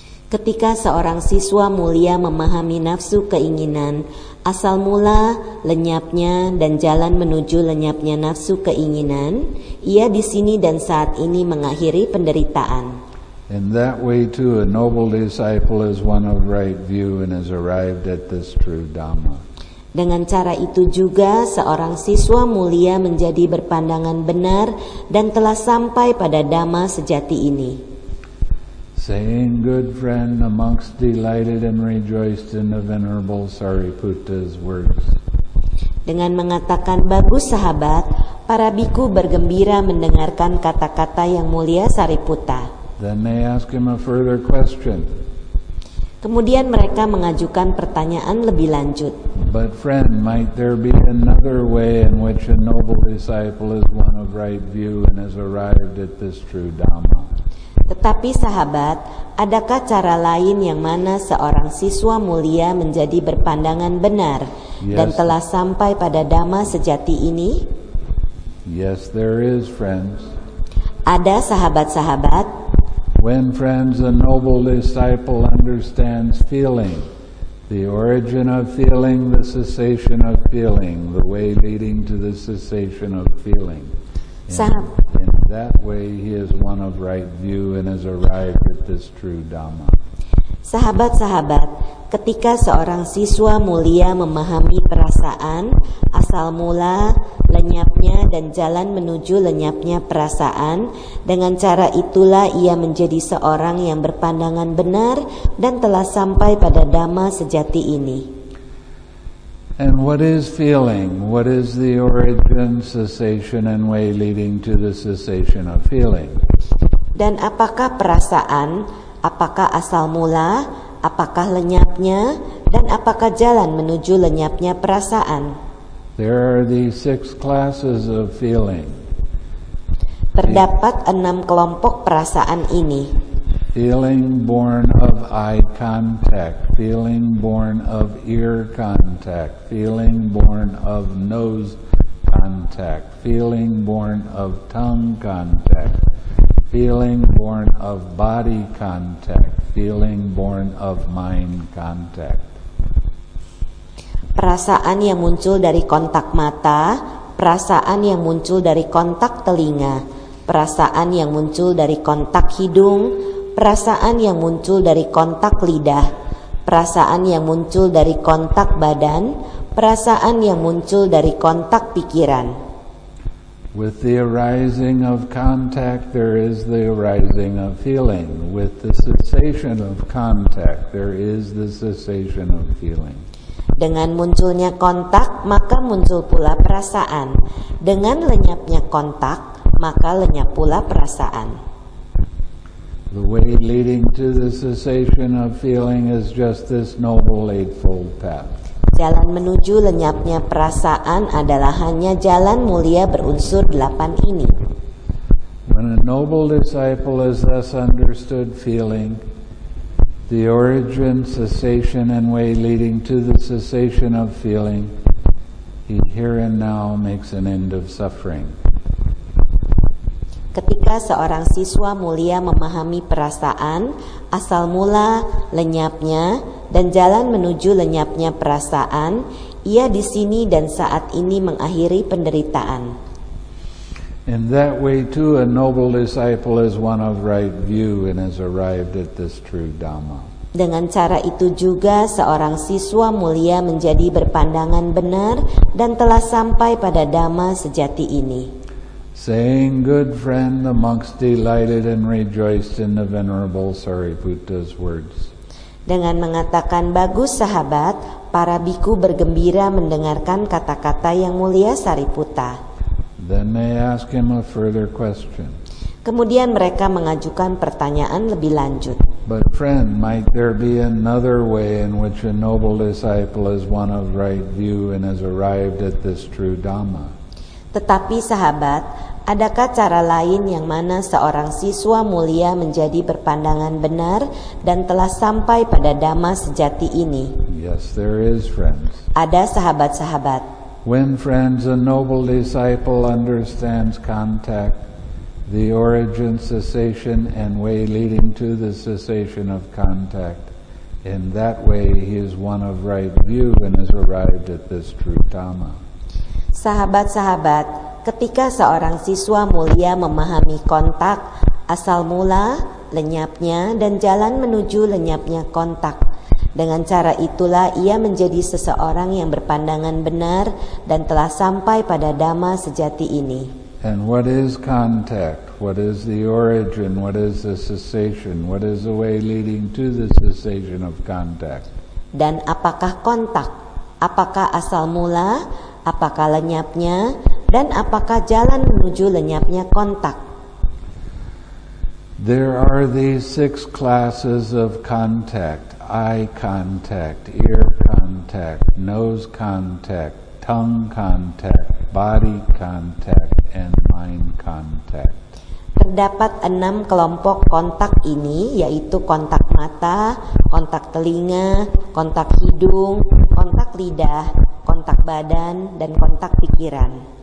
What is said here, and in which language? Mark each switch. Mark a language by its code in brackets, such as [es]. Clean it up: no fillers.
[id] Ketika seorang siswa mulia memahami nafsu keinginan, asal mula, lenyapnya, dan jalan menuju lenyapnya nafsu keinginan, ia di sini dan saat ini mengakhiri penderitaan. [en] In that way too, a noble disciple is one of right view and has arrived at this true Dhamma. [id] Dengan cara itu juga, seorang siswa mulia menjadi berpandangan benar dan telah sampai pada Dhamma sejati ini. [en] Saying good friend amongst delighted and rejoiced in the venerable Sariputta's words. [id] Dengan mengatakan bagus sahabat, para bhikkhu bergembira mendengarkan kata-kata yang mulia Sariputta. [en] Then they ask him a further question. [id] Kemudian mereka mengajukan pertanyaan lebih lanjut. [en] But friend, might there be another way in which a noble disciple is one of right view and has arrived at this true Dhamma? [id] Tetapi sahabat, adakah cara lain yang mana seorang siswa mulia menjadi berpandangan benar dan telah sampai pada dhamma sejati ini? [en] Yes, there is, friends. [id] Ada sahabat-sahabat. [en] When, friends, a noble disciple understands feeling, the origin of feeling, the cessation of feeling, the way leading to the cessation of feeling. In that way, he is one of right view and has arrived at this true Dhamma. [id] Sahabat-sahabat, ketika seorang siswa mulia memahami perasaan, asal mula, lenyapnya, dan jalan menuju lenyapnya perasaan, dengan cara itulah ia menjadi seorang yang berpandangan benar dan telah sampai pada dhamma sejati ini. [en] And what is feeling? What is the origin, cessation, and way leading to the cessation of feeling? [id] Dan apakah perasaan? Apakah asal mula? Apakah lenyapnya? Dan apakah jalan menuju lenyapnya perasaan? [en] There are the six classes of feeling. [id] Terdapat enam kelompok perasaan ini. [en] Feeling born of eye contact, feeling born of ear contact, feeling born of nose contact, feeling born of tongue contact, feeling born of body contact, feeling born of mind contact. [id] Perasaan yang muncul dari kontak mata, perasaan yang muncul dari kontak telinga, perasaan yang muncul dari kontak hidung, perasaan yang muncul dari kontak lidah, perasaan yang muncul dari kontak badan, perasaan yang muncul dari kontak pikiran. [en] With the arising of contact, there is the arising of feeling. With the cessation of contact, there is the cessation of feeling. [id] Dengan munculnya kontak, maka muncul pula perasaan. Dengan lenyapnya kontak, maka lenyap pula perasaan. [en] The way leading to the cessation of feeling is just this noble eightfold path. [id] Jalan menuju lenyapnya perasaan adalah hanya jalan mulia berunsur delapan ini. [en] When a noble disciple has thus understood feeling, the origin, cessation, and way leading to the cessation of feeling, he here and now makes an end of suffering. [id] Ketika seorang siswa mulia memahami perasaan, asal mula, lenyapnya, dan jalan menuju lenyapnya perasaan, ia di sini dan saat ini mengakhiri penderitaan. [en] In that way too, a noble disciple is one of right view and has arrived at this true Dhamma. [id] Dengan cara itu juga, seorang siswa mulia menjadi berpandangan benar dan telah sampai pada Dhamma sejati ini. [en] Saying, good friend, the monks delighted and rejoiced in the venerable Sariputta's words. [id] Dengan mengatakan bagus sahabat, para bhikkhu bergembira mendengarkan kata-kata yang mulia Sariputta. [en] Then they ask him a further question. [id] Kemudian mereka mengajukan pertanyaan lebih lanjut. [en] But friend, might there be another way in which a noble disciple is one of right view and has arrived at this true Dhamma? [id] Tetapi sahabat, adakah cara lain yang mana seorang siswa mulia menjadi berpandangan benar dan telah sampai pada dhamma sejati ini? [en] Yes, there is, friends. [id] Ada sahabat-sahabat. [en] When, friends, a noble disciple understands contact, the origin, cessation, and way leading to the cessation of contact, in that way he is one of right view and has arrived at this true dhamma. [id] Sahabat-sahabat, ketika seorang siswa mulia memahami kontak, asal mula, lenyapnya, dan jalan menuju lenyapnya kontak, dengan cara itulah ia menjadi seseorang yang berpandangan benar dan telah sampai pada dhamma sejati ini. [en] And what is contact? What is the origin? What is the cessation? What is the way leading to the cessation of contact? [id] Dan apakah kontak? Apakah asal mula? Apakah lenyapnya dan apakah jalan menuju lenyapnya kontak? [en] There are these six classes of contact: eye contact, ear contact, nose contact, tongue contact, body contact, and mind contact. [id] Terdapat enam kelompok kontak ini, yaitu kontak mata, kontak telinga, kontak hidung, kontak lidah, kontak badan, dan kontak pikiran.